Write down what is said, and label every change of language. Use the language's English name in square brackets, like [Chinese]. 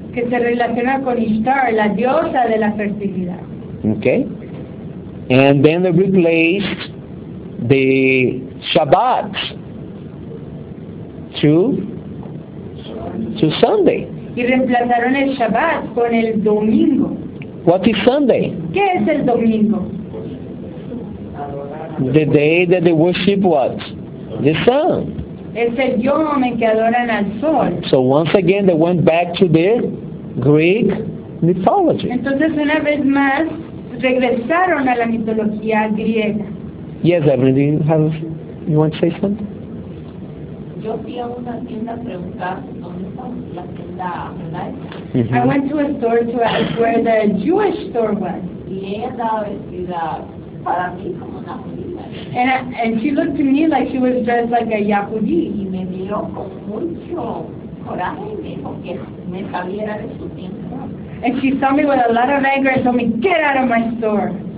[Spanish] Que se relaciona con Ishtar, la diosa de la fertilidad. [English] Okay. And then they replaced the Shabbat to Sunday. [Spanish] Y reemplazaron el Shabbat con el domingo. [English] What is Sunday? [Spanish] ¿Qué es el domingo? [English] The day that they worship what? The sun. [Spanish] Es el yom en que adoran al sol. [English] So once again they went back to the Greek mythology. [Spanish] Entonces una vez más regresaron a la mitología griega. [English] Yes, Evelyn, do you have, you want to say something? [Spanish] Yo fui a una tienda a preguntar dónde está la tienda. [English] I went to a store to ask where the Jewish store was. [Spanish] Y ella estaba vestida para mí como una judía. [English] And she looked to me like she was dressed like a Yahudi. [Spanish] Y me miró con mucho coraje, me saliera de su tienda. [English] And she saw me with a lot of anger and told me, get out of my store.